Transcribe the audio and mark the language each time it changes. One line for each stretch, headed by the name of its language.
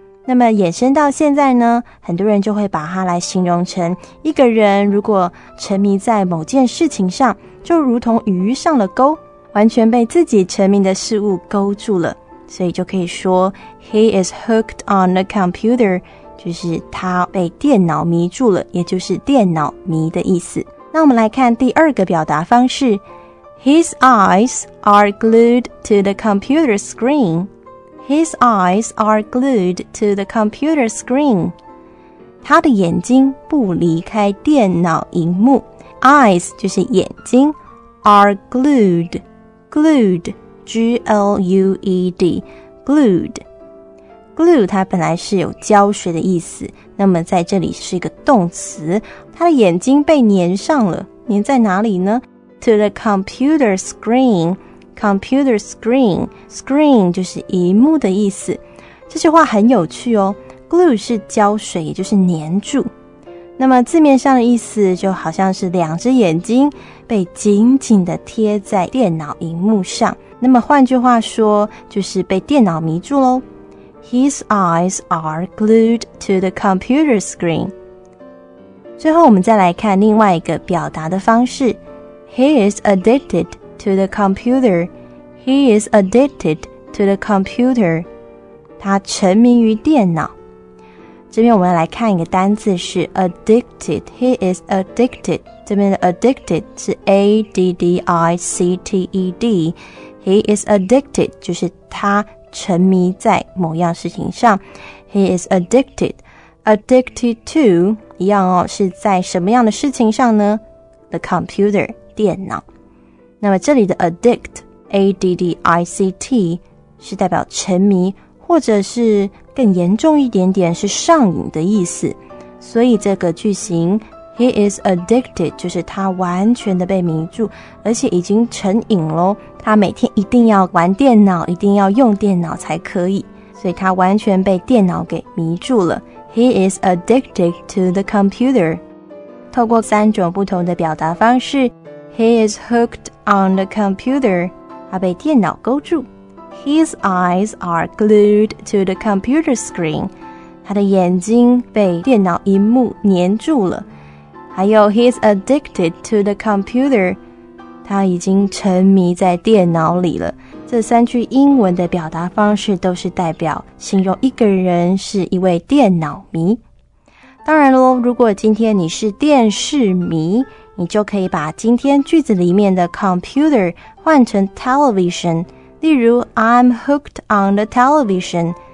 Chinese: 那么衍生到现在呢，很多人就会把它来形容成一个人如果沉迷在某件事情上，就如同鱼上了钩，完全被自己沉迷的事物勾住了。所以就可以说 He is hooked on a computer，就是他被电脑迷住了，也就是电脑迷的意思。
English: 那我们来看第二个表达方式， His eyes are glued to the computer screen。 His eyes are glued to the computer screen.
Chinese: 他的眼睛不离开电脑荧幕。
English: Eyes 就是眼睛。 Are glued. Glued. G-L-U-E-D. Glued.
Chinese: Glue 它本来是有胶水的意思，那么在这里是一个动词。他的眼睛被粘上了。粘在哪里呢？ To the computer screen. Computer screen, screen 就是荧幕的意思。这句话很有趣哦， glue 是胶水，也就是粘住。那么字面上的意思就好像是两只眼睛被紧紧的贴在电脑荧幕上。那么换句话说，就是被电脑迷住咯。
English: His eyes are glued to the computer screen.
Chinese: 最后我们再来看另外一个表达的方式， He is addictedto the computer.
English: He is addicted to the computer.
Chinese: 他沉迷于电脑。这边我们来看一个单字是 addicted. He is addicted. 这边的 addicted 是 A-D-D-I-C-T-E-D. He is addicted 就是他沉迷在某样事情上。
English: He is addicted.
Chinese: Addicted to 一样哦，是在什么样的事情上呢？
English: The computer 电脑。
Chinese: 那么这里的 addict, A-D-D-I-C-T, 是代表沉迷，或者是更严重一点点是上瘾的意思。所以这个句型 He is addicted, 就是他完全的被迷住，而且已经成瘾咯。他每天一定要玩电脑，一定要用电脑才可以。所以他完全被电脑给迷住了。
English: He is addicted to the computer. 透过三种不同的表达方式， He is hooked on the computer.
Chinese: 他被电脑勾住。
English: His eyes are glued to the computer screen.
Chinese: 他的眼睛被电脑荧幕粘住了。
English: 还有 He is addicted to the computer.
Chinese: 他已经沉迷在电脑里了。这三句英文的表达方式都是代表形容一个人是一位电脑迷。当然咯，如果今天你是电视迷，你就可以把今天句子里面的 computer 换成 television， 例如 I'm hooked on the television。